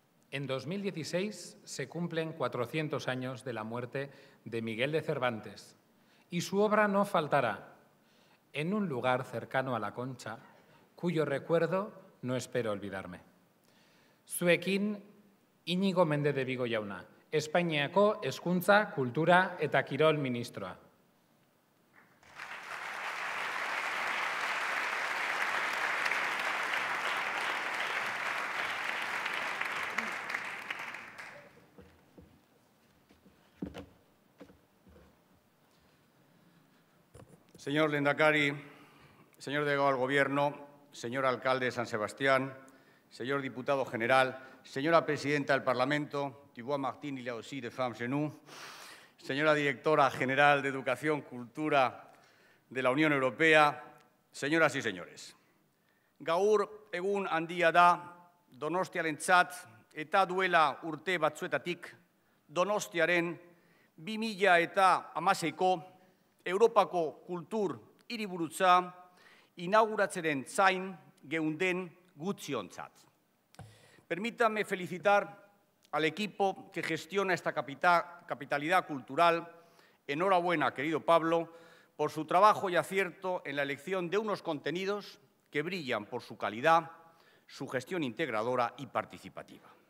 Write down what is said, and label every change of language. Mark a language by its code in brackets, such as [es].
[es] En 2016 se cumplen 400 años de la muerte de Miguel de Cervantes y su obra no faltará en un lugar cercano a la Concha, cuyo recuerdo no espero olvidarme. [eu] Zuekin, Iñigo Méndez de Vigo jauna, Espainiako Hezkuntza, Kultura eta Kirol ministroa. [es] Señor Lehendakari, señor delegado del Gobierno, señor alcalde de San Sebastián, señor diputado general, señora presidenta del Parlamento, Thibaut Martin y la aussi de Femmes Genoux, señora directora general de Educación y Cultura de la Unión Europea, señoras y señores. [eu] Gaur egun handia da Donostiarentzat eta duela urte batzuetatik Donostiaren 2016ko Europako kultur hiriburutza inauguratzeren zain geunden gutxiontzat. [es] Permítanme felicitar al equipo que gestiona esta capitalidad cultural. Enhorabuena, querido Pablo, por su trabajo y acierto en la elección de unos contenidos que brillan por su calidad, su gestión integradora y participativa.